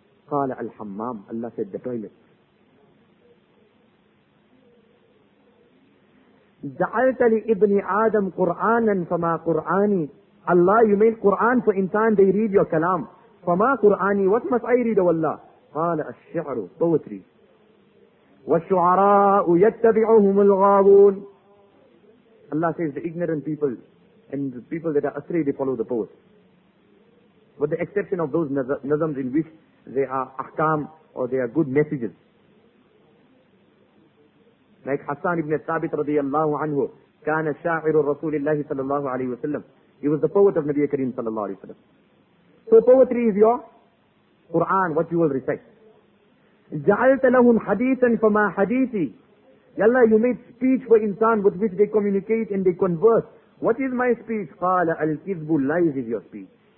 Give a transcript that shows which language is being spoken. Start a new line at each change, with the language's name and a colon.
Arabic: قَالَ الْحَمَّامُ.
English: Allah said, the toilet.
Arabic: جَعَلْتَ لِإِبْنِ آدَمْ قُرْآنًا فَمَا قُرْآنِي.
English: Allah, you made Quran for insan, they read your kalam.
Arabic: فَمَا قُرْآنِي.
English: What must I read, O Allah?
Arabic: قَالَ الشِّعْرُ.
English: Poetry.
Arabic: والشعراء يتبعهم الغاوون.
English: Allah says the ignorant people and the people that are astray, they follow the poets. With the exception of those nazams in which they are ahkam or they are good messages.
Arabic: Like Hassan ibn Thabit radiyallahu anhu, كان شاعر الرسول الله صلى الله عليه وسلم.
English: He was the poet of Nabi Kareem صلى الله عليه وسلم. So poetry is your Quran, what you will recite.
Arabic: جَعَلْتَ لَهُمْ حَدِيثًا فَمَا حَدِيثِي.
English: Ya Allah, you made speech for insan with which they communicate and they converse. What is my speech?
Arabic: قَالَ الْكِذْبُ.
English: Lies is your speech.